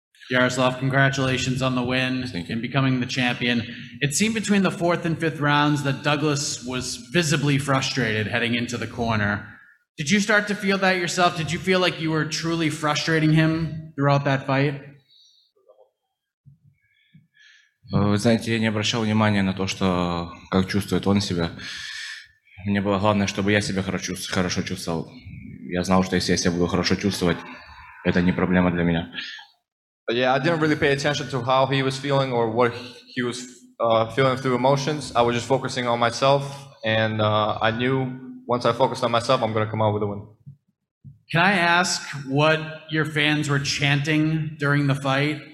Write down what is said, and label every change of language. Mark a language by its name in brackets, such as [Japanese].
[English] Yaroslav, congratulations on the win and becoming the champion. It seemed between the fourth and fifth rounds that Douglas was visibly frustrated heading into the corner. Did you start to feel that yourself? Did you feel like you were truly frustrating him throughout that fight? [Russian] Вы знаете, я не обращал внимания на то, что как чувствует он себя. Мне было главное, чтобы я себя хорошо чувствовал. Я знал, что если я себя буду хорошо чувствовать, это не проблема для меня. [English] Yeah, I didn't really pay attention to how he was feeling or what he was feeling through emotions. I was just focusing on myself, and I knew once I focused on myself, I'm going to come out with a win. Can I ask what your fans were chanting during the fight?